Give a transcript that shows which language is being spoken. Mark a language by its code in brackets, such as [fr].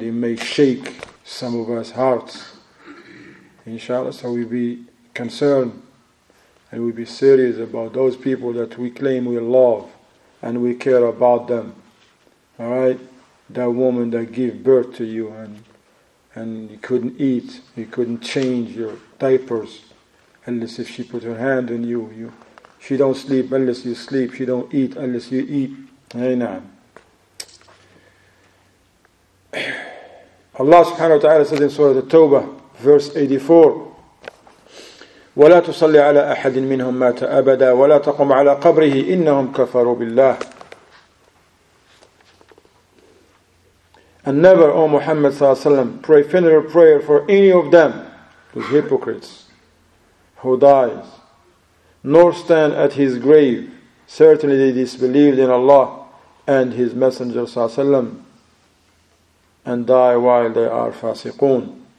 [en] He may shake some of us hearts. Inshallah, so we be concerned and we be serious about those people that we claim we love and we care about them. Alright? That woman that gave birth to you and you couldn't eat, you couldn't change your diapers, unless if she put her hand on you. She don't sleep unless you sleep. She don't eat unless you eat. Amen. Allah subhanahu wa ta'ala said in Surah At-Tawbah, verse 84, [ar] وَلَا تُصَلِّ عَلَىٰ أَحَدٍ مِّنْهُمْ مَاتَ أَبَدًا وَلَا تَقُمْ عَلَىٰ قَبْرِهِ إِنَّهُمْ كَفَرُوا بِاللَّهِ. [en] And never, O Muhammad sallallahu alayhi wa sallam, pray funeral prayer for any of them, those hypocrites, who dies, nor stand at his grave. Certainly they disbelieved in Allah and his Messenger sallallahu alayhi wa sallam, and die while they are fasiqoon.